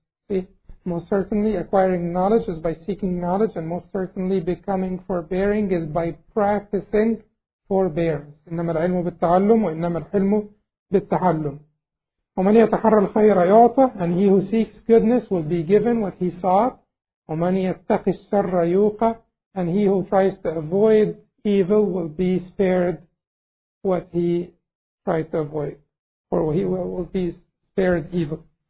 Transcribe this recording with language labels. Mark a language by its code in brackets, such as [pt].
[en] See, most certainly acquiring knowledge is by seeking knowledge, and most certainly becoming forbearing is by practicing forbearance. [ar] إنما العلم بالتعلم وإنما الحلم بالتعلم. ومن يتحرى الخير يعطى, [en] and he who seeks goodness will be given what he sought. [ar] ومن يتقي الشر يوقى, [en] and he who tries to avoid evil will be spared what he tried to avoid, or he will be spared evil.